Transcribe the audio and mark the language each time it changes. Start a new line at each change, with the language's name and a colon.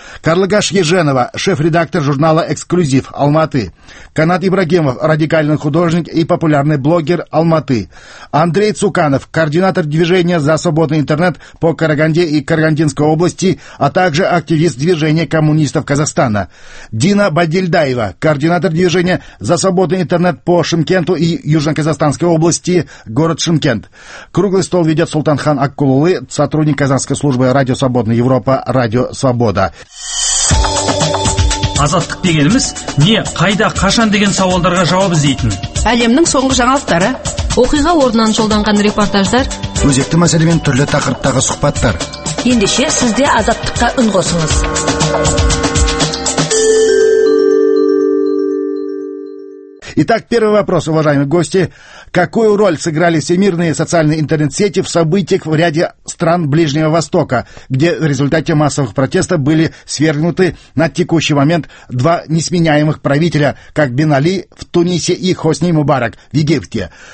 Russian: Карлыгаш Еженова, шеф-редактор журнала «Эксклюзив» Алматы, Канат Ибрагимов, радикальный художник и популярный блогер Алматы, Андрей Цуканов, координатор движения «За свободный интернет» по Караганде и Карагандинской области, а также активист движения коммунистов Казахстана, Дина Бадильдаева, координатор движения «За свободный интернет» по Шымкенту и Южно-Казахстанской области, город Шымкент. Круглый стол ведет Султанхан Аккулулы, сотрудник Казанской службы «Радио Свободная Европа», «Радио Свобода».
Kazakh: Азаттық дегеніміз не, қайда, қашан деген сауалдарға жауап іздейтін. Әлемнің соңғы жаңалықтары, оқиға орнынан жолданған репортаждар, өзекті мәселемен түрлі тақырыптағы сұхбаттар. Ендеше сізде азаттыққа үн қосыңыз.
Russian: Итак, первый вопрос, уважаемые гости. Какую роль сыграли всемирные социальные интернет-сети в событиях в ряде стран Ближнего Востока, где в результате массовых протестов были свергнуты на текущий момент два несменяемых правителя, как Бен Али в Тунисе и Хосни Мубарак в Египте?